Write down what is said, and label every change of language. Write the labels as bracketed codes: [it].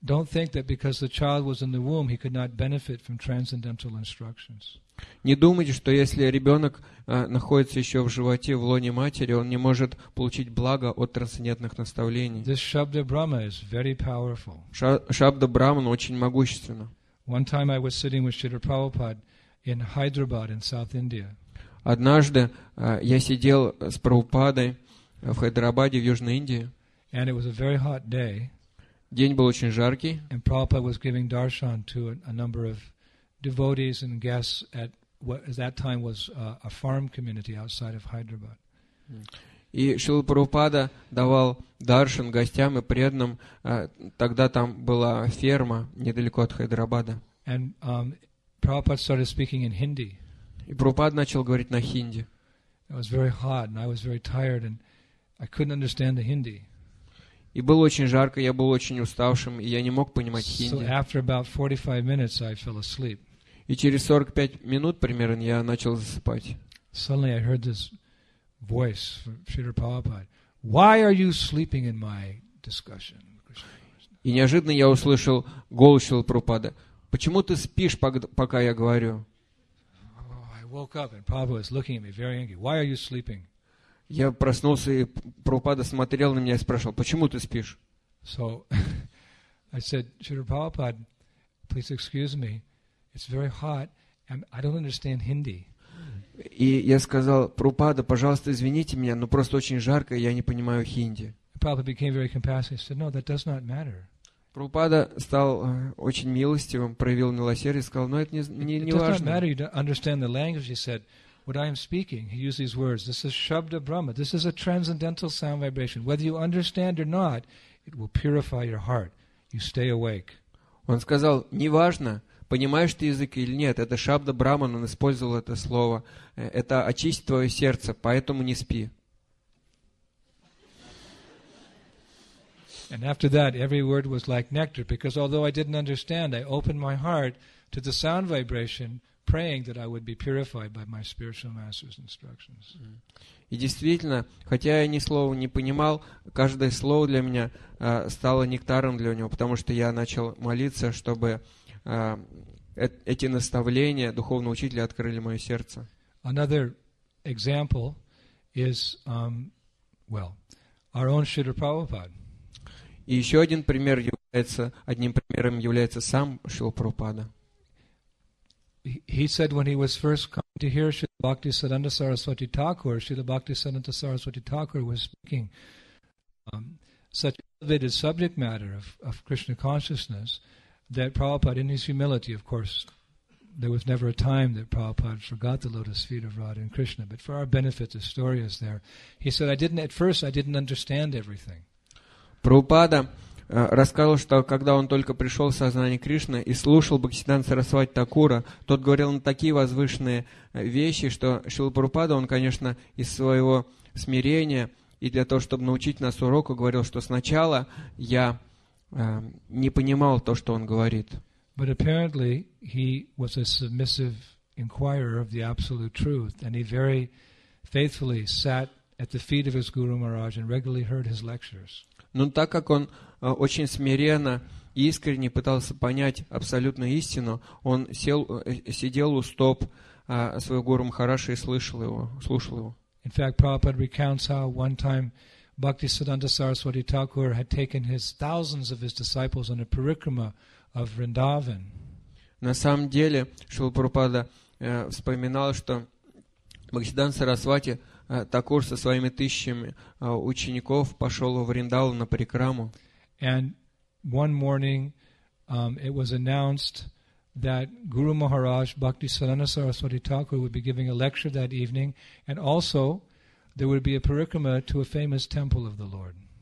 [en] Don't think that because the child was in the womb he could not benefit from transcendental instructions. [ru] Не думайте, что если ребенок находится еще в животе, в лоне матери, он не может получить благо от трансцендентных наставлений. [en] This Shabda Brahma is very powerful. [ru] Шабда Брахман очень могущественна. [en] One time I was sitting with Śrīla Prabhupāda in Hyderabad in South India. [ru] Однажды я сидел с Прабхупадой в Хайдарабаде в Южной Индии. [en] And it was a very hot day. [ru] День был очень жаркий. [en] And Prabhupāda was giving darshan to a number of devotees and guests at what at that time was a farm community outside of Hyderabad. [ru] И Шрила Прабхупада давал даршан гостям и преданным. Тогда там была ферма недалеко от Хайдарабада. [en] And Prabhupada started speaking in Hindi. [ru] И Прабхупада начал говорить на хинди. [en] It was very hot and I was very tired and I couldn't understand the Hindi. [ru] И было очень жарко, я был очень уставшим, и я не мог понимать хинди. [en] So after about 45 minutes I fell asleep. [ru] И через 45 минут примерно я начал засыпать. [en] Suddenly I heard this voice from Śrīla Prabhupāda. Why are you sleeping in my discussion? [ru] И неожиданно я услышал голос Śrīla Prabhupāda. Почему ты спишь, пока я говорю? [en] I woke up and Prabhupāda was looking at me very angry. Why are you sleeping? [ru] Я проснулся, и Прабхупада смотрел на меня и спрашивал, почему ты спишь? [en] So, I said, Śrīla Prabhupāda, please excuse me. It's very hot, and I don't understand Hindi. [ru] И я сказал: «Прабхупада, пожалуйста, извините меня, но просто очень жарко, я не понимаю хинди». Прабхупада стал очень милостивым, проявил милосердие, сказал: «Но это не важно». [en] It does not matter to understand the language, he said. What I am speaking, he used these words. This is Shabda Brahma. This is a transcendental sound vibration. Whether you understand or not, it will purify your heart. You stay awake. [ru] Он сказал: «Неважно, понимаешь ты язык или нет, это Шабда Брахман, он использовал это слово. Это очистит твое сердце, поэтому не спи». [en] And after that, every word was like nectar, because although I didn't understand, I opened my heart to the sound vibration, praying that I would be purified by my spiritual master's instructions. [ru] И действительно, хотя я ни слова не понимал, каждое слово для меня стало нектаром для него, потому что я начал молиться, чтобы эти наставления духовного учителя открыли мое сердце. [en] Another example is, our own Śrīla Prabhupāda. [ru] И еще один пример является, одним примером является сам Шрила Прабхупада. [en] He said when he was first coming to hear Śrīla Bhaktisiddhānta Saraswati Thakur, Śrīla Bhaktisiddhānta Saraswati Thakur was speaking such elevated subject matter of Krishna consciousness that Prabhupada, in his humility, of course, there was never a time that Prabhupada forgot the lotus feet of Radha and Krishna, but for our benefit, the story is there. He said, at first I didn't understand everything. [ru] Прабхупада рассказывал, что когда он только пришел в сознание Кришны и слушал Бхактисиддханту Сарасвати Такура, тот говорил на такие возвышенные вещи, что Шрила Прабхупада, он, конечно, из своего смирения и для того, чтобы научить нас уроку, говорил, что сначала я не понимал то, что он говорит. [en] But apparently he was a submissive inquirer of the absolute truth, and he very faithfully sat at the feet of his Guru Maharaj and regularly heard his lectures. [ru] Но так как он очень смиренно и искренне пытался понять абсолютную истину, он сидел у стоп своего Гуру Махараши и слушал его. [en] In fact, Prabhupada recounts how one time Bhaktisiddhanta Saraswati Thakur had taken his thousands of his disciples on a parikrama of Vrindavan. [ru] На самом деле, Шрила Прабхупада вспоминал, что Бхактисиддханта Сарасвати Такур со своими тысячами учеников пошел в Вриндаву на парикраму. [en] And one morning it was announced that Guru Maharaj Bhaktisiddhanta Saraswati Thakur would be giving a lecture that evening, and also there would be a parikrama to a famous temple of the Lord.